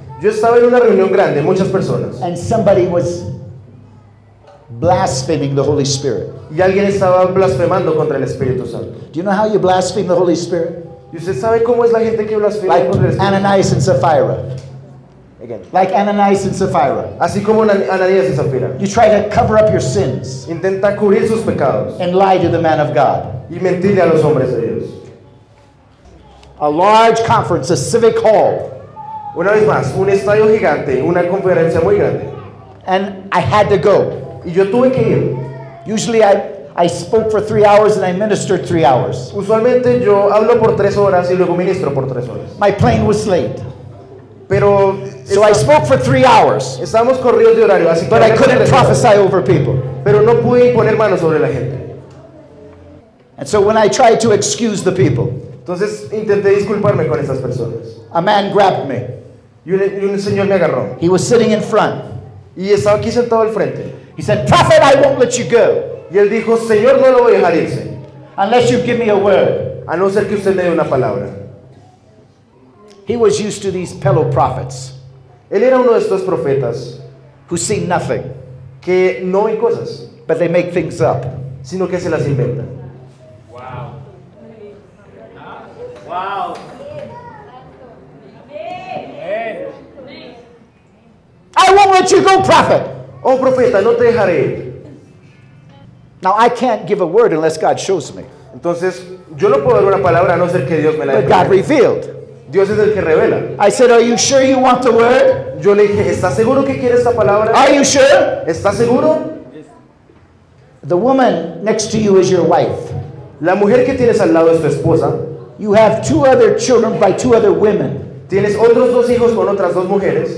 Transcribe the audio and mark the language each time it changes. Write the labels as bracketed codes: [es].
[es] Yo estaba en una reunión grande, muchas personas. [en] And somebody was blaspheming the Holy Spirit. [es] Y alguien estaba blasfemando contra el Espíritu Santo. [en] Do you know how you blaspheme the Holy Spirit? [es] ¿Y usted sabe cómo es la gente que blasfema contra el Espíritu Santo? [en] Like Ananias and Sapphira. Again. Like Ananias and Sapphira. [es] Así como Ananias y Sapphira. [en] You try to cover up your sins. [es] Intenta cubrir sus pecados. [en] And lie to the man of God. [es] Y mentirle a los hombres de Dios. [en] A large conference, a civic hall. [es] Una vez más, un estadio gigante, una conferencia muy grande. [en] And I had to go. [es] Y yo tuve que ir. [en] Usually I spoke for 3 hours and I ministered 3 hours. [es] Usualmente yo hablo por 3 horas y luego ministro por 3 horas. [en] My plane was late. [es] Pero [en] so I spoke for 3 hours. [es] Estábamos corridos de horario, así [en] but I couldn't prophesy over people. [es] Pero no pude poner manos sobre la gente. [en] And so when I tried to excuse the people, [es] entonces intenté disculparme con esas personas. [en] A man grabbed me. [es] Y un señor me agarró. [en] He was sitting in front. [es] Y estaba aquí sentado al frente. [en] He said, "Prophet, I won't let you go." [es] Y él dijo, "Señor, no lo voy a dejar irse." [en] Unless you give me a word. [es] A no ser que usted me dé una palabra. [en] He was used to these pillow prophets. [es] Él era uno de estos profetas [en] who see nothing, [es] que no ven cosas, [en] but they make things up, [es] sino que se las inventan. [en] I won't let you go, prophet. [es] Oh, profeta, no te dejaré. [en] Now I can't give a word unless God shows me. [es] Entonces, yo no puedo dar una palabra a no ser que Dios me la dé. [en] But God revealed. [es] Dios es el que revela. [en] I said, "Are you sure you want the word?" [es] Yo le dije, ¿estás seguro que quieres esta palabra? [en] Are you sure? [es] ¿Estás seguro? [en] The woman next to you is your wife. [es] La mujer que tienes al lado es tu esposa. [en] You have two other children by two other women. [es] Tienes otros dos hijos con otras dos mujeres.